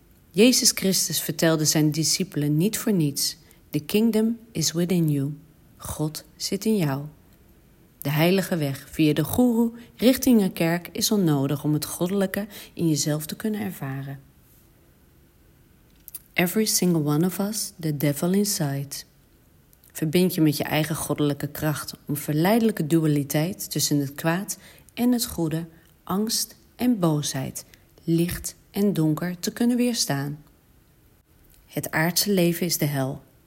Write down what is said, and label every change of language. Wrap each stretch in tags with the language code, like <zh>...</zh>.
<nl>Jezus Christus vertelde zijn discipelen niet voor niets:</nl> <en>The kingdom is within you.</en> <nl>God zit in jou. De heilige weg via de goeroe richting een kerk is onnodig om het goddelijke in jezelf te kunnen ervaren.</nl> <en>Every single one of us, the devil inside.</en> <nl>Verbind je met je eigen goddelijke kracht om verleidelijke dualiteit tussen het kwaad en het goede, angst en boosheid, licht en donker te kunnen weerstaan. Het aardse leven is de hel.</nl>